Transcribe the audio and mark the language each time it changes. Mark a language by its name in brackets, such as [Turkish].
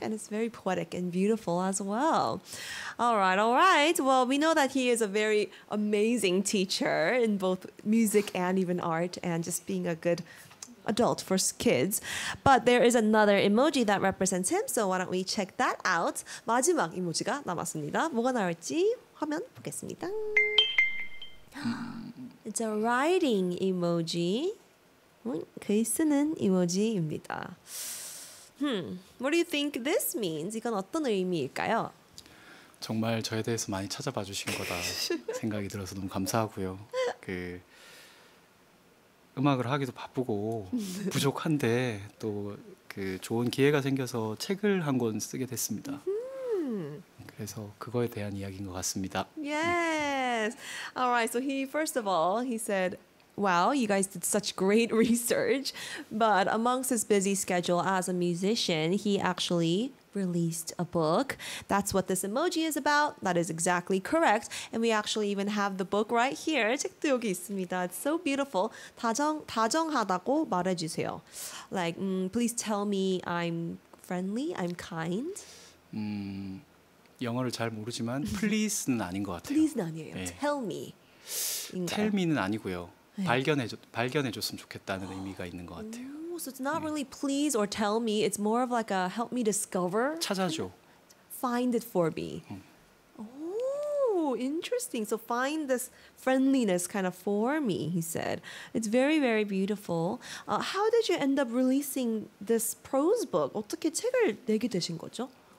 [English] And it's very poetic and beautiful as well. All right, all right. Well, we know that he is a very amazing teacher in both music and even art and just being a good adult for kids. But there is another emoji that represents him. So why don't we check that out. [Korean] 마지막 이모지가 남았습니다. 뭐가 나올지 화면 보겠습니다. [English] It's a writing emoji. [Korean] 글 쓰는 이모지입니다. [English] What do you think this means? [Korean] 이건 어떤 의미일까요? 정말 저에 대해서 많이 찾아봐 주신 거다 생각이 들어서 너무 감사하고요. 그 음악을 하기도 바쁘고 부족한데 또 그 좋은 기회가 생겨서 책을 한 권 쓰게 됐습니다. 그래서 그거에 대한 이야기인 것 같습니다. [English] Yes. All right. So he first of all he said. Wow, you guys did such great research. But amongst his busy schedule as a musician, he actually released a book. That's what this emoji is about. That is exactly correct. And we actually even have the book right here. [Korean] 책도 여기 있습니다. [English] It's so beautiful. [Korean] 다정하다고 말해주세요. [English] Like, please tell me I'm friendly, I'm kind. [Korean] 영어를 잘 모르지만 please는 아닌 것 같아요. Please는 아니에요. 네. [English] Tell me. Tell me [Korean] 는 아니고요. 발견해줬으면 좋겠다는 의미가 있는 것 같아요. [English] So it's not really please or tell me. It's more of like a help me discover. [Korean] 찾아줘. [English] Find it for me. Oh, interesting. So find this friendliness kind of for me, he said. It's very, very beautiful. How did you end up releasing this prose book? [Korean] 어떻게 책을 내게 되신 거죠?